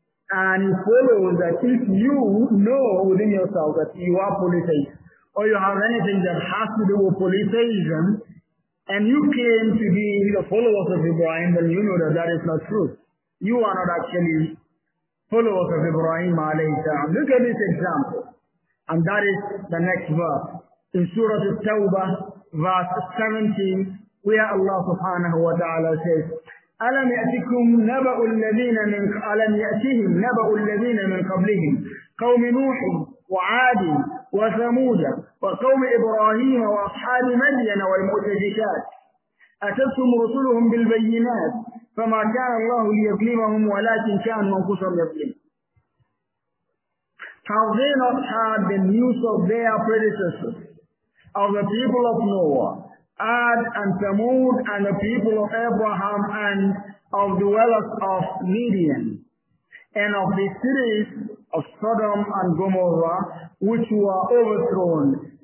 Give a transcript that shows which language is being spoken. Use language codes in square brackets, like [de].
[en] And it follows that if you know within yourself that you are polytheist, or you have anything that has to do with polytheism, and you claim to be the followers of Ibrahim, then you know that that is not true. You are not actually followers of Ibrahim alayhi salam. Look at this example. And that is the next verse. In Surah At-Tawbah, verse 17, where Allah subhanahu wa ta'ala says, [ar] أَلَمْ يَأْتِكُمْ نَبَأُ الَّذِينَ مِنْ أَلَمْ يَأْتِهِمْ نَبَأُ الَّذِينَ مِنْ قَبْلِهِمْ قَوْمِ نُوحٍ وَعَادٍ وَثَمُودَ وَقَوْمِ إِبْرَاهِيمَ وَأَصْحَابِ مَدْيَنَ وَالْمُؤْتَفِكَاتِ أَتَتْهُمْ رُسُلُهُمْ بِالْبَيِّنَاتِ فَمَا كَانَ اللَّهُ لِيَظْلِمَهُمْ وَلَكِنْ كَانُوا أَنْفُسَهُمْ يَظْلِمُونَ. [en] Have they not had the news of their predecessors, of the people of Noah, Ad and Thamud, and the people of Abraham, and of the dwellers of Midian, and of the cities of Sodom and Gomorrah, which were overthrown?